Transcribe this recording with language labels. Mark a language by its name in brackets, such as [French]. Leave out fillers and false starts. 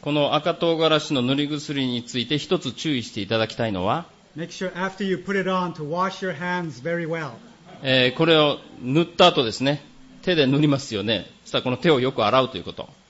[Japanese] この赤唐辛子の塗り薬について一つ注意していただきたいのは、 [English] Make sure after you put it on to wash your hands very well. [Japanese] これを塗った後ですね。手で塗りますよね。さあこの手をよく洗うということ。